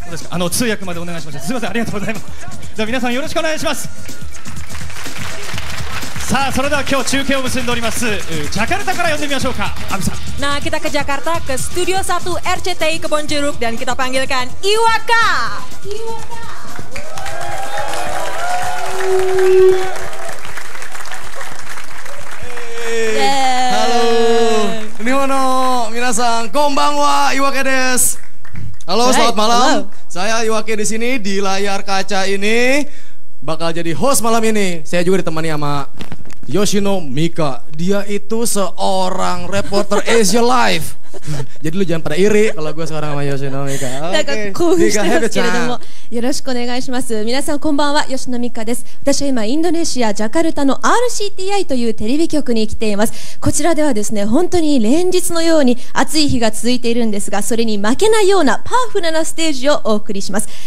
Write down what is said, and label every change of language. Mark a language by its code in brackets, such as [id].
[ja] どうですか、あの通訳までお願いします。すいません、ありがとうございます。じゃあ皆さんよろしくお願いします。さあ、それでは今日中継を結んでおりますジャカルタから呼んでみましょうか、アミさん。 [id] Nah, kita ke Jakarta ke Studio 1 RCTI Kebon Jeruk dan kita panggilkan Iwaka. Iwaka. Hey, halo. [ja] Minasan, konbanwa, Iwaka desu. [id] Halo, selamat malam. Saya Iwaka di sini di layar kaca ini bakal jadi host malam ini. Saya juga ditemani sama Yoshino Mika. Dia itu seorang reporter Asia Life. Jadi lu jangan pada iri kalau gue seorang sama Yoshino Mika. [ja] よろしくお願いします。皆さんこんばんは、吉野美香です。私は今インドネシアジャカルタの RCTI というテレビ局に来ています。こちらではですね、本当に連日のように暑い日が続いているんですが、それに負けないようなパワフルなステージをお送りします。